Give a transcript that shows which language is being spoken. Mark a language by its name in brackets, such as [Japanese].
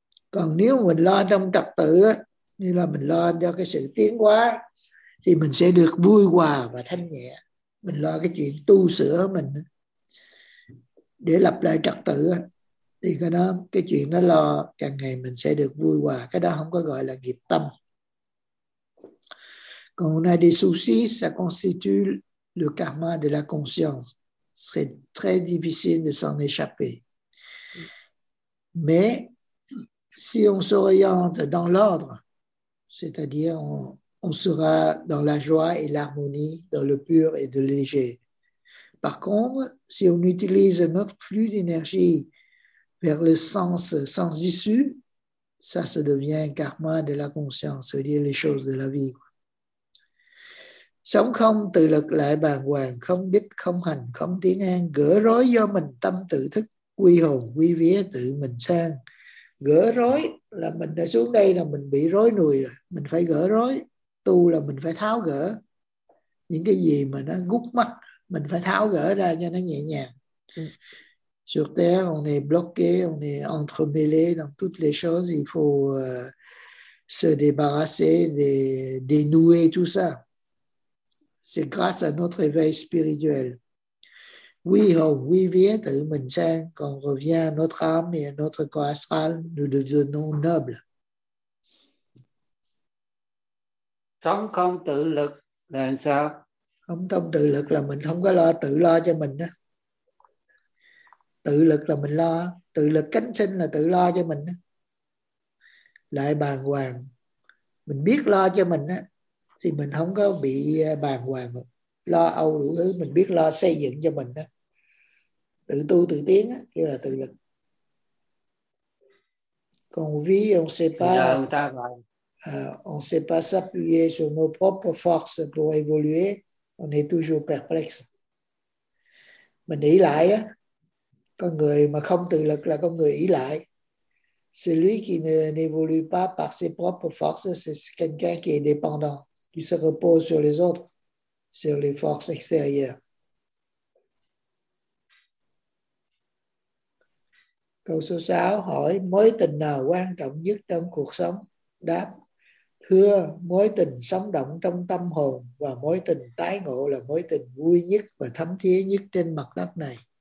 [Vietnamese] Còn nếu mình lo trong trật tự á, như là mình lo cho cái sự tiến hóa, thì mình sẽ được vui hòa và thanh nhẹ. Mình lo cái chuyện tu sửa mình á, để lập lại trật tự á, thì cái chuyện nó lo càng ngày mình sẽ được vui hòa, cái đó không có gọi là nghiệp tâm. [French] Quand on a des soucis, ça constitue le karma de la conscience. C'est très difficile de s'en échapper. Mais si on s'oriente dans l'ordre, c'est-à-dire on sera dans la joie et l'harmonie, dans le pur et le léger. Par contre, si on utilise notre flux d'énergie vers le sens sans issue, ça se devient un karma de la conscience, c'est-à-dire les choses de la vie. [Vietnamese] Sống không tự lực lại bàng hoàng, không đích không hành, không tiếng an, gỡ rối do mình tâm tự thức, quy hồn quy vía tự mình sang. Gỡ rối là mình đã xuống đây là mình bị rối nùi rồi, mình phải gỡ rối. Tu là mình phải tháo gỡ những cái gì mà nó gút mắt, mình phải tháo gỡ ra cho nó nhẹ nhàng. [French] Sur terre, on est bloqué, on est entremêlé dans toutes les choses, il faut se débarrasser, dénouer tout ça. C'est grâce à notre éveil spirituel. Oui, hồn, oui, vient [Vietnamese] tự mình sang, [French] qu'on revient à notre âme et à notre corps astral, nous le devenons noble. [Vietnamese] Sống không tự lực là sao? Không tâm tự lực là mình không có lo, tự lo cho mình đó. Tự lực là mình lo, tự lực cánh sinh là tự lo cho mình đó. Lại bàng hoàng, mình biết lo cho mình đó, thì mình không có bị bàng hoàng, lo âu đủ thứ, mình biết lo xây dựng cho mình đó. Tự tu tự tiến á, kêu là tự lực. Còn vì [French] on sait pas, on sait pas s'appuyer sur nos propres forces pour évoluer, on est toujours perplexe. [Vietnamese] Mình ỷ lại á, con người mà không tự lực là con người ỷ lại. [French] Celui qui n'évolue pas par ses propres forces, c'est quelqu'un qui est dépendant. Il se repose sur les autres, sur les forces extérieures. [Vietnamese] Câu số 6 hỏi mối tình nào quan trọng nhất trong cuộc sống? Đáp: Thưa, mối tình sống động trong tâm hồn và mối tình tái ngộ là mối tình vui nhất và thấm thía nhất trên mặt đất này.